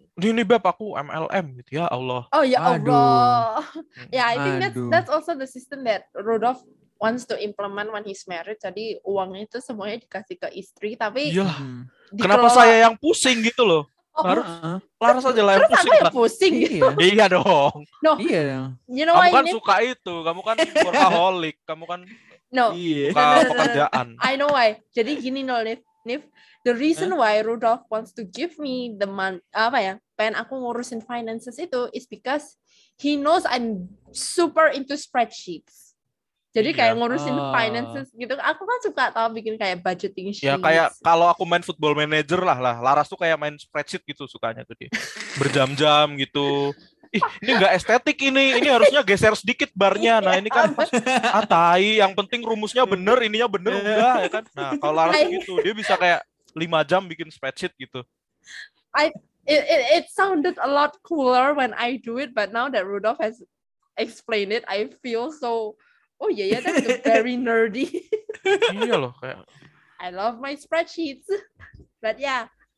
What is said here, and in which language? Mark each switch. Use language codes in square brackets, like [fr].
[id] Ini beb aku MLM gitu ya Allah. Oh ya Allah. [en] Yeah, I think that's also the system that Rudolf wants to implement when he's married. [id] Jadi uangnya itu semuanya dikasih ke istri tapi Kenapa saya yang pusing gitu loh? Laras aja lah yang terus pusing. Aku yang pusing gitu. Iya dong. [en] No. [id] Iya. [en] You know [id] kamu kan suka itu, kamu kan workaholic, kamu kan pekerjaan. [en] I know why. [id] Jadi gini no Nif. [en] The reason why Rudolf wants to give me the money, [id] apa ya, pengen aku ngurusin [en] finances itu, is because he knows I'm super into spreadsheets. [id] Jadi kayak ngurusin finances gitu, aku kan suka tau bikin kayak budgeting sheets. Ya kayak kalau aku main football manager lah, Laras tuh kayak main spreadsheet gitu sukanya tuh dia. Berjam-jam gitu. Ini enggak estetik ini harusnya geser sedikit barnya. Nah, ini kan tai, yang penting rumusnya benar, ininya benar enggak ya kan. Nah, kalau Laras gitu, dia bisa kayak 5 jam bikin spreadsheet gitu. [en] It sounded a lot cooler when I do it, but now that Rudolf has explained it, I feel so that's very nerdy. [id] Iya loh kayak [en] I love my spreadsheets. But yeah,